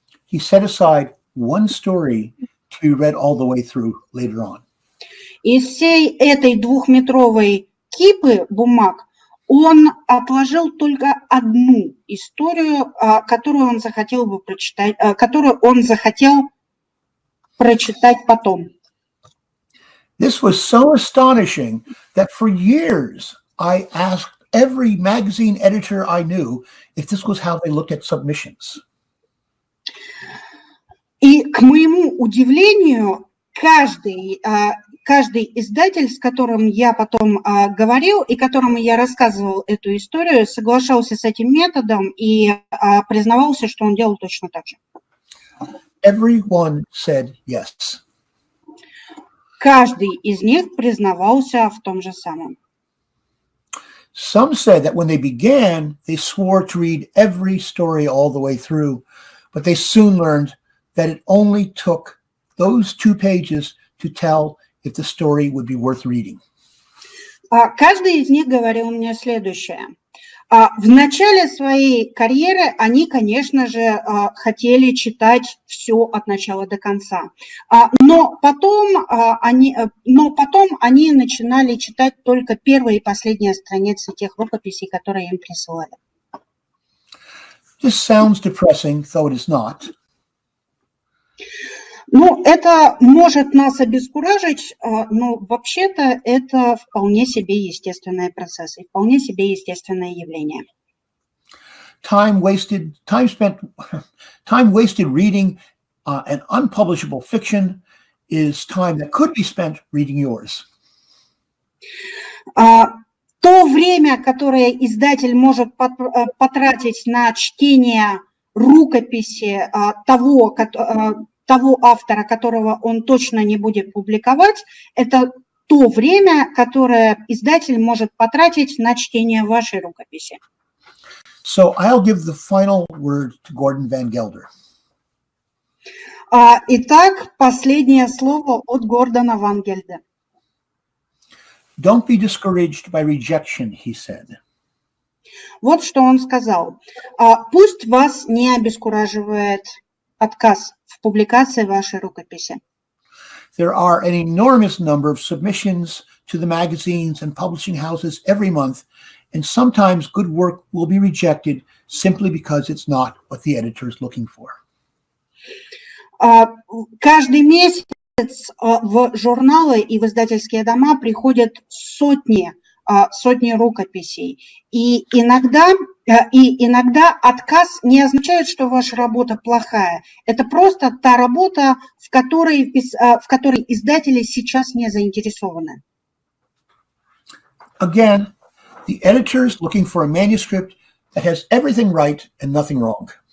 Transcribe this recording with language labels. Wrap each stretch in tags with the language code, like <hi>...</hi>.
<en>He set aside one story to be read all the way through later on.</en> <ru>Из всей этой 2-метровой кипы бумаг он отложил только одну историю, которую он захотел бы прочитать, которую он захотел прочитать потом.</ru> <en>This was so astonishing that for years I asked every magazine editor I knew if this was how they looked at submissions.</en> <ru>И к моему удивлению, каждый издатель, с которым я потом говорил и которому я рассказывал эту историю, соглашался с этим методом и признавался, что он делал точно так же.</ru> <en>Everyone said yes.</en> <ru>Каждый из них признавался в том же самом.</ru> <en>Some said that when they began, they swore to read every story all the way through, but they soon learned that it only took those 2 pages to tell if the story would be worth reading.</en> <ru>Каждый из них говорил мне следующее. В начале своей карьеры они, конечно же, хотели читать все от начала до конца. Но потом они начинали читать только первые и последние страницы тех рукописей, которые им присылали.</ru> <en>This sounds depressing, though it is not.</en> <ru>Ну, это может нас обескуражить, но вообще-то это вполне себе естественный процесс и вполне себе естественное явление.</ru> <en>Time wasted reading an unpublishable fiction is time that could be spent reading yours.</en> <ru>То время, которое издатель может потратить на чтение рукописи того автора, которого он точно не будет публиковать, это то время, которое издатель может потратить на чтение вашей рукописи.</ru> <en>So I'll give the final word to Gordon Van Gelder.</en> <ru>Итак, последнее слово от Гордона Ван Гельде.</ru> <en>Don't be discouraged by rejection, he said.</en> <ru>Вот что он сказал. Пусть вас не обескураживает отказ в публикации вашей рукописи.</ru> <en>There are an enormous number of submissions to the magazines and publishing houses every month, and sometimes good work will be rejected simply because it's not what the editor is looking for.</en> <ru>Каждый месяц месяц в журналы и в издательские дома приходят сотни рукописей. И иногда отказ не означает, что ваша работа плохая. Это просто та работа, в которой издатели сейчас не заинтересованы.</ru> <en>Again, the editors looking for a manuscript that has everything right and nothing wrong.</en>